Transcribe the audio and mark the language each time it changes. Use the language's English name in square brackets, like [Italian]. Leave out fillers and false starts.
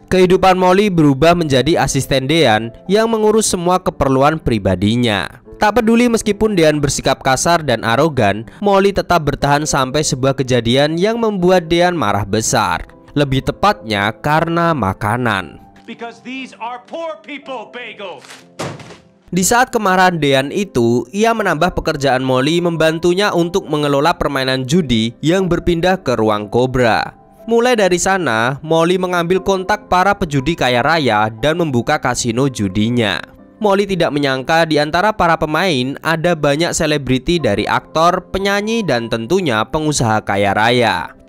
[Indonesian] Kehidupan Molly berubah menjadi asisten Dean yang mengurus semua keperluan pribadinya. Tak peduli meskipun Dean bersikap kasar dan arogan, Molly tetap bertahan sampai sebuah kejadian yang membuat Dean marah besar. Lebih tepatnya karena makanan. [English] Because these are poor people, bagels. [Indonesian] Di saat kemarahan Dean itu, ia menambah pekerjaan Molly membantunya untuk mengelola permainan judi yang berpindah ke ruang Cobra. Mulai dari sana, Molly mengambil kontak para pejudi kaya raya dan membuka kasino judinya. Molly tidak menyangka di antara para pemain ada banyak selebriti dari aktor, penyanyi, dan tentunya pengusaha kaya raya.